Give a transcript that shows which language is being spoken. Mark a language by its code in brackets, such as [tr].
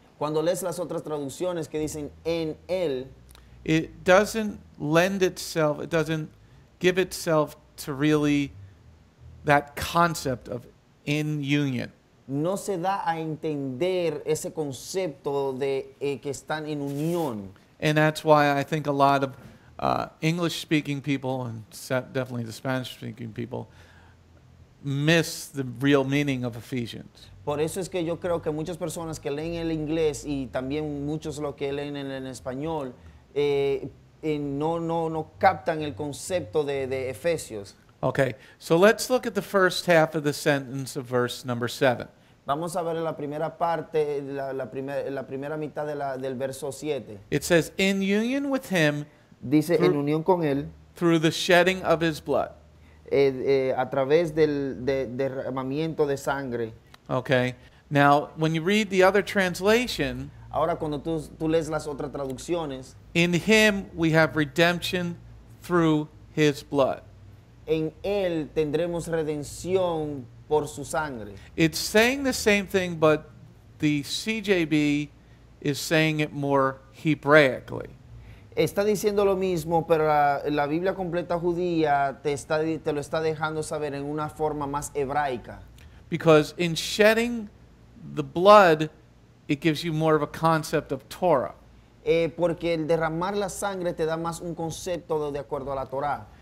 [es] cuando lees las otras traducciones que dicen en él, [en] it doesn't lend itself, it doesn't give itself to really that concept of in union. [es] No se da a entender ese concepto de que están en unión. [en] And that's why I think a lot of English-speaking people, and definitely the Spanish-speaking people, miss the real meaning of Ephesians. [es] Por eso es que yo creo que muchas personas que leen el inglés y también muchos lo que leen en el español no captan el concepto de Efesios. [en] Okay, so let's look at the first half of the sentence of verse number 7. [es] Vamos a ver la primera parte, la primera mitad del verso 7. [en] It says, in union with him, [es] dice, en unión con él, [en] through the shedding of his blood. [es] A través del derramamiento de sangre. [en] Okay. Now, when you read the other translation, [es] ahora cuando tú lees las otras traducciones, [en] in him we have redemption through his blood. [es] En él tendremos redención por su sangre. [en] It's saying the same thing, but the CJB is saying it more Hebraically. [es] Está diciendo lo mismo, pero la Biblia completa judía te lo está dejando saber en una forma más hebraica. [en] Because in shedding the blood, it gives you more of a concept of Torah. [es] Porque el derramar la sangre te da más un concepto de acuerdo a la Torah.